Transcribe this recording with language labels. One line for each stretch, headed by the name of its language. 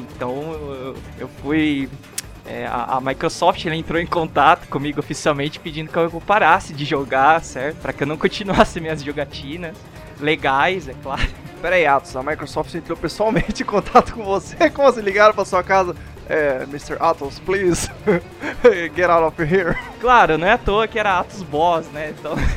Portuguese: Então eu fui... É, a Microsoft ela entrou em contato comigo oficialmente pedindo que eu parasse de jogar, certo? Pra que eu não continuasse minhas jogatinas legais, é claro. Pera aí, Atos, a Microsoft entrou pessoalmente em contato com você? Como assim, ligaram pra sua casa? É, Mr.
English: Atos, please, get out of here.
Portuguese: Claro, não é à toa que era Atos Boss, né? Então...